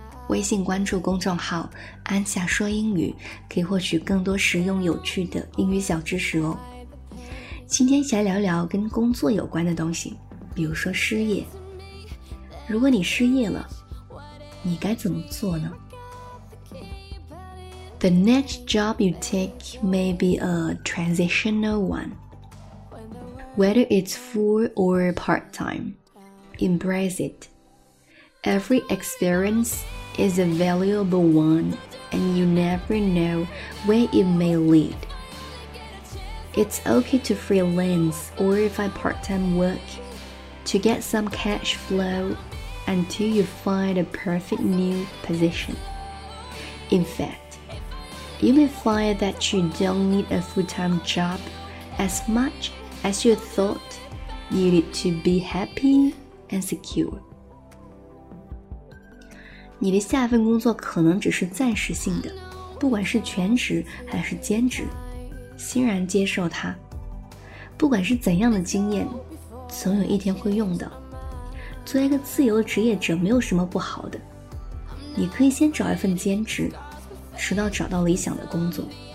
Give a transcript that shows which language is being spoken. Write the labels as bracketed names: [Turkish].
[Chinese] 微信关注公众号安夏说英语，可以获取更多实用有趣的英语小知识哦。今天一起来聊聊跟工作有关的东西，比如说失业。如果你失业了，你该怎么做呢？ [English] The next job you take may be a transitional one. Whether it's full or part-time, embrace it. Every experience is a valuable one, and you never know where it may lead. It's okay to freelance or find part-time work to get some cash flow until you find a perfect new position. In fact,You may find that you don't need a full-time job as much as you thought you need to be happy and secure. [Chinese] 你的下一份工作可能只是暂时性的，不管是全职还是兼职，欣然接受它。不管是怎样的经验，总有一天会用的。作为一个自由职业者，没有什么不好的。你可以先找一份兼职，直到找到理想的工作。